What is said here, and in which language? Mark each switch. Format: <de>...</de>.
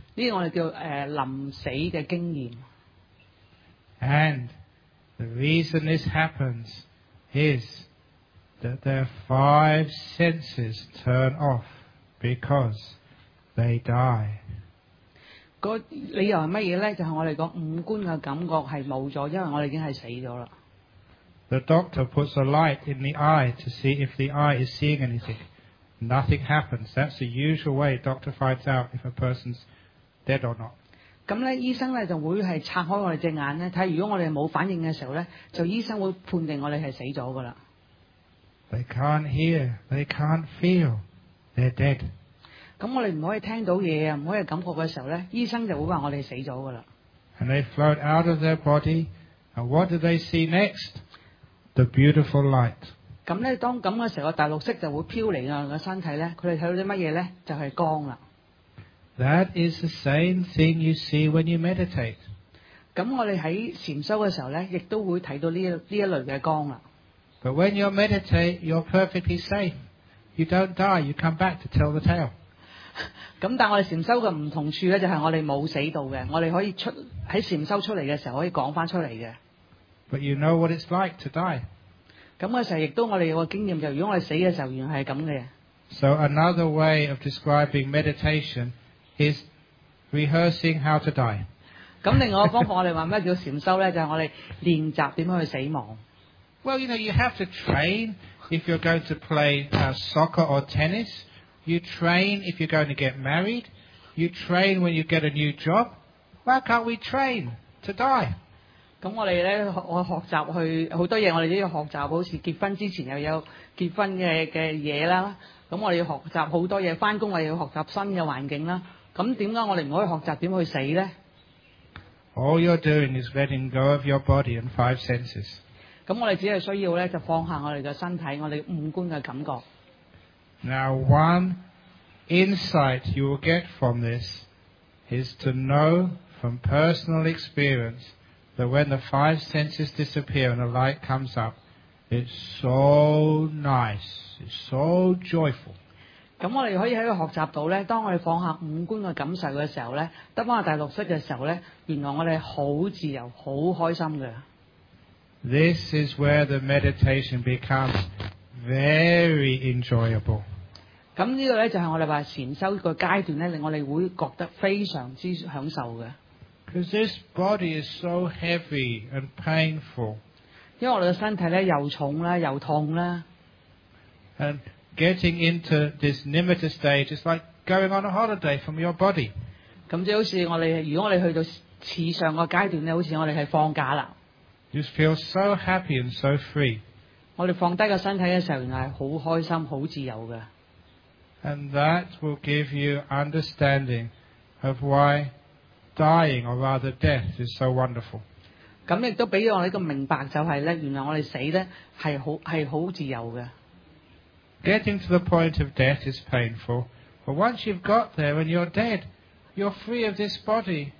<zh>呢个我哋叫临死嘅经验。</zh> <en>And the reason this happens is that their five senses turn off because they die.</en> <zh>个理由系乜嘢咧？就系我哋个五官嘅感觉系冇咗，因为我哋已经系死咗啦。</zh> <en>The doctor puts a light in the eye to see if the eye is seeing anything. Nothing happens. That's the usual way a doctor finds out if a person's dead or not.</en> <zh>咁咧，醫生咧就會係拆開我哋隻眼咧，睇如果我哋冇反應嘅時候咧，就醫生會判定我哋係死咗噶啦。</zh> <en>They can't hear. They can't feel. They're dead.</en> <zh>咁我哋唔可以聽到嘢啊，唔可以感覺嘅時候咧，醫生就會話我哋死咗噶啦。</zh> <en>And they float out of their body. And what do they see next? The beautiful light.</en> <zh>咁咧，当咁嘅时候，大绿色就会飘嚟啊个身体咧。佢哋睇到啲乜嘢咧？就系光啦。</zh> <en>That is the same thing you see when you meditate.</en> <zh>咁我哋喺禅修嘅时候咧，亦都会睇到呢一类嘅光啦。</zh> <en>But when you meditate, you're perfectly safe. You don't die. You come back to tell the tale.</en> <zh>咁但我哋禅修嘅唔同处咧，就系我哋冇死到嘅。我哋可以出喺禅修出嚟嘅时候，可以讲翻出嚟嘅。</zh> <en>But you know what it's like to die.</en> <zh>咁嘅时候，亦都我哋有个经验，就如果我哋死嘅时候，原来系咁嘅。</zh> <en>So another way of describing meditation is rehearsing how to die.</en> <zh>咁另外一个方法，我哋话咩叫禅修咧？就系我哋练习点样去死亡。</zh> <en>Well, you know, you have to train if you're going to play soccer or tennis. You train if you're going to get married. You train when you get a new job. Why can't we train to die?</en> <zh>咁我哋咧，我學習去好多嘢，我哋都要學習。好似結婚之前又有結婚嘅嘢啦。咁我哋要學習好多嘢，翻工我哋要學習新嘅環境啦。咁點解我哋唔可以學習點去死咧</zh> <en>？All you're doing is letting go of your body and five senses。</en> <zh>咁我哋只係需要咧，就放下我哋嘅身體，我哋五官嘅感覺。</zh> <en>Now one insight you will get from this is to know from personal experience. That when the five senses disappear and the light comes up, it's so nice, it's so joyful.</en> <zh>咁我哋可以喺度學習到咧，當我哋放下五官嘅感受嘅時候咧，得翻個大綠色嘅時候咧，原來我哋好自由、好開心嘅。</zh> <en>This is where the meditation becomes very enjoyable.</en> <zh>咁呢個咧就係我哋話禅修個階段咧，令我哋會覺得非常之享受嘅。</zh> <en>Because this body is so heavy and painful.</en> <zh>因為我們的身體呢又重啦又痛啦。</zh> <en>And getting into this nimitta stage is like going on a holiday from your body.</en> <zh>咁就好似我哋如果我哋去到次上個階段呢好似我哋係放假啦。</zh> <en>You feel so happy and so free.</en> <zh>我哋放低個身體嘅時候原來係好開心好自由㗎。</zh> <en>And that will give you understanding of why dying, or rather death, is so wonderful.</en> <zh>咁亦都俾我一个明白，就系咧，原来我哋死咧系好自由嘅。</zh> <en>Getting to the point of death is painful, but once you've got there and you're dead, you're free of this body.</en>